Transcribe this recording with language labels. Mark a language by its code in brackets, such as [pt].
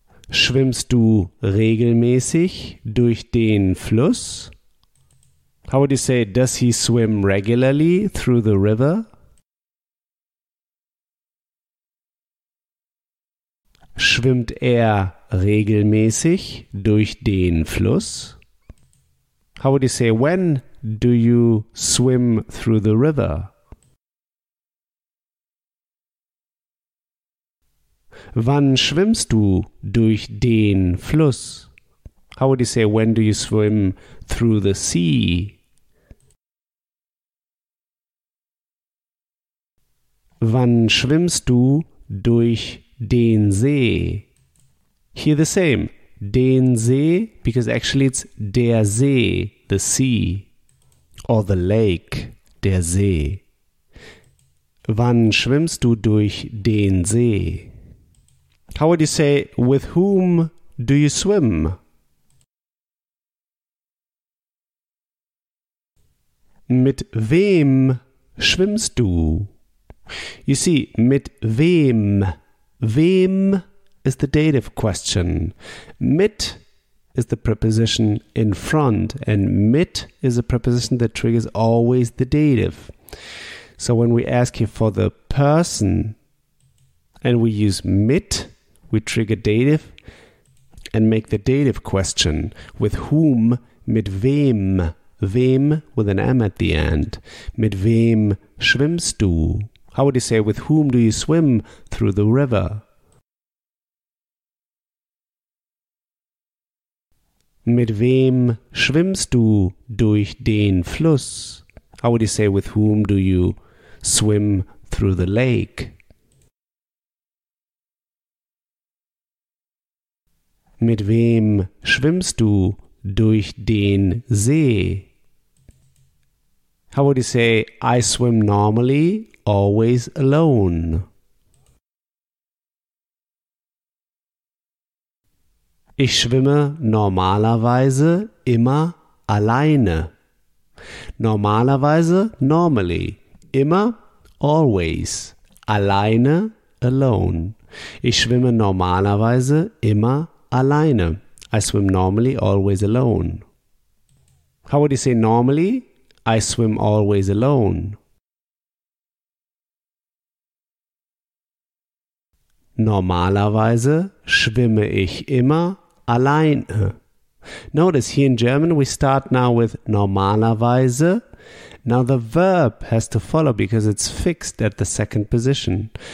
[de] Schwimmst du regelmäßig durch den Fluss? [en] How would you say, does he swim regularly through the river? [de] Schwimmt er regelmäßig durch den Fluss? [en] How would you say, when do you swim through the river? [de] Wann schwimmst du durch den Fluss? [en] How would you say, when do you swim through the sea? [de] Wann schwimmst du durch den See? [en] Here the same. Den See, because actually it's der See, the sea, or the lake, der See. [de] Wann schwimmst du durch den See? [en] How would you say, with whom do you swim? [de] Mit wem schwimmst du? [en] You see, [de] mit wem? [en] Wem is the dative question. Mit is the preposition in front, and mit is a preposition that triggers always the dative. So when we ask you for the person and we use mit, we trigger dative and make the dative question. With whom? [de] Mit wem? [en] Wem with an M at the end. [de] Mit wem schwimmst du? [en] How would you say, with whom do you swim through the river? [de] Mit wem schwimmst du durch den Fluss? [en] How would you say, with whom do you swim through the lake? [de] Mit wem schwimmst du durch den See? [en] How would you say, I swim normally, always alone? [de] Ich schwimme normalerweise immer alleine. Normalerweise, normally, immer, always, alleine, alone. Ich schwimme normalerweise immer alleine. [en] I swim normally, always alone. How would you say normally? I swim always alone. [de] Normalerweise schwimme ich immer alleine. [en] Notice here in German we start now with normalerweise. Now the verb has to follow because it's fixed at the second position.